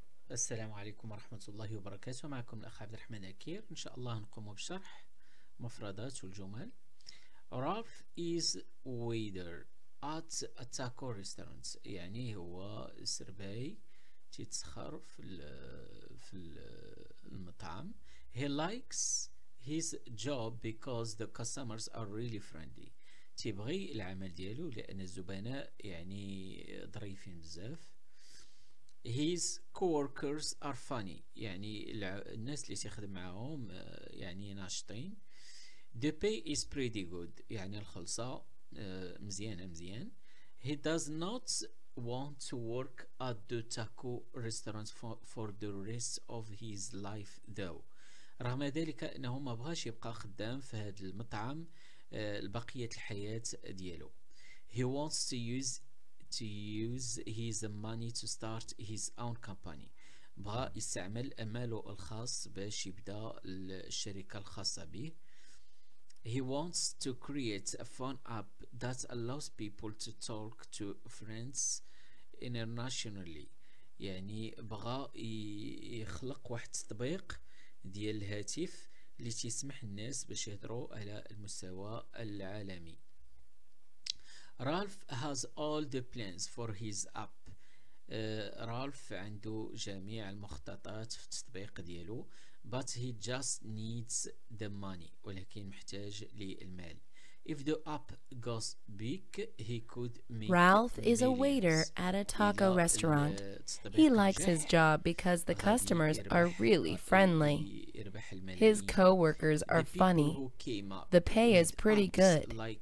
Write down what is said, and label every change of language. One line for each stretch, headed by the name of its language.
Arabic: السلام عليكم ورحمة الله وبركاته. معكم الأخ عبد الرحمن أكير. إن شاء الله نقوم بشرح مفردات والجمل.
English: Ralph is waiter at a taco restaurant.
Arabic: يعني هو سرباي تيتسخر في المطعم.
English: He likes his job because the customers are really friendly.
Arabic: تيبغي العمل ديالو لأن الزبناء يعني ظريفين بزاف.
English: His co-workers are funny.
Arabic: يعني الناس اللي تخدم معهم يعني ناشطين.
English: The pay is pretty good.
Arabic: يعني الخلصة مزيان.
English: He does not want to work at the taco restaurant for the rest of his life though.
Arabic: رغم ذلك انه ما بغاش يبقى خدام في هذا المطعم لبقية الحياة ديالو.
English: He wants to use his money to start his own company.
Arabic: بغى يستعمل ماله الخاص باش يبدا الشركة الخاصة به.
English: He wants to create a phone app that allows people to talk to friends internationally.
Arabic: يعني بغى يخلق واحد التطبيق ديال الهاتف اللي تسمح الناس باش يهضروا على المستوى العالمي.
English: Ralph has all the plans for his app.
Arabic: Ralph عنده جميع المخططات في التطبيق ديالو.
English: But he just needs the money.
Arabic: ولكن محتاج للمال.
English: If the app goes big, he could make Ralph is millions. A waiter at a taco restaurant. He likes his job because the customers are really friendly. His co-workers are funny. The pay is pretty good.